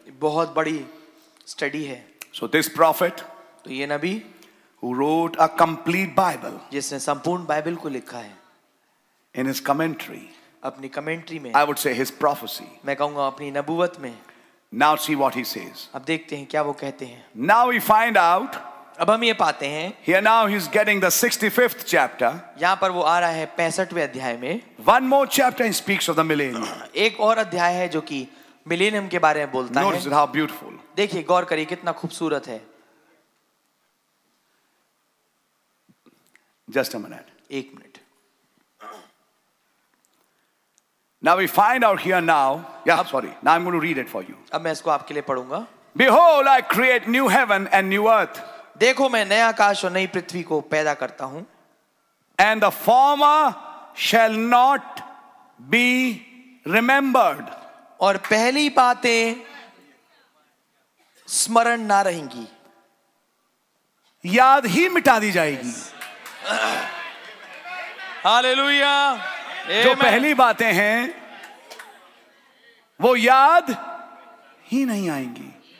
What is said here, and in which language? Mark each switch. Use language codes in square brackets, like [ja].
[hi] बहुत बड़ी study है. [en] So this prophet. [hi] तो ये नबी, [en] who wrote a complete Bible, [hi] जिसने संपूर्ण बाइबल को लिखा है, [en] in his commentary, [hi] अपनी कमेंट्री में, [en] I would say his prophecy, [hi] मैं कहूँगा अपनी नबुवत में, [en] now see what he says, [hi] अब देखते हैं क्या वो कहते हैं, [en] now we find out, [hi] अब हम ये पाते हैं, [en] here now he's getting the 65th chapter, [hi] यहाँ पर वो आ रहा है 65वें अध्याय में, [en] one more chapter he speaks of the millennium, [hi] एक और अध्याय है जो कि मिलेनियम के बारे में बोलता [en] है, notice how beautiful, [hi] देखिए गौर करिए कितना खूबसूरत है. [en] Just a minute. [hi] एक minute. [en] Now we find out here now. Yeah, अब, sorry. Now I'm going to read it for you. [hi] अब मैं इसको आपके लिए पढूंगा. [en] Behold, I create new heaven and new earth. [hi] देखो मैं नया आकाश और नई पृथ्वी को पैदा करता हूँ. [en] And the former shall not be remembered. [hi] और पहली बातें स्मरण ना रहेंगी, याद ही मिटा दी जाएगी. हालेलुया. जो पहली बातें हैं वो याद ही नहीं आएंगी.